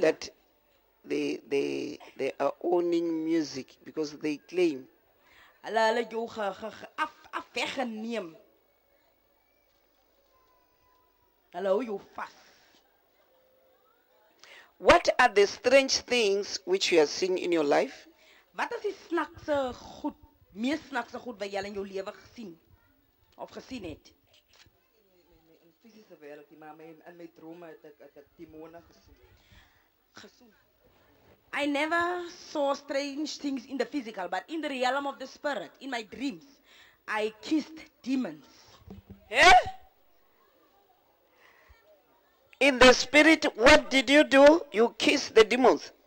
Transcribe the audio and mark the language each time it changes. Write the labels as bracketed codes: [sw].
[en] That they are owning music because they claim. [af] Hulle jou af weggeneem. Hulle hou jou vas. [en] What are the strange things which you are seeing in your life? [af] Wat is die snaakse goed, mees snaakse goed wat jy in jou lewe gesien? Of gesien het. In fisiese wêreld, maar in my drome het ek demone gesien. [en] I never saw strange things in the physical, but in the realm of the spirit, in my dreams, I kissed demons. Eh? In the spirit, what did you do? You kissed the demons.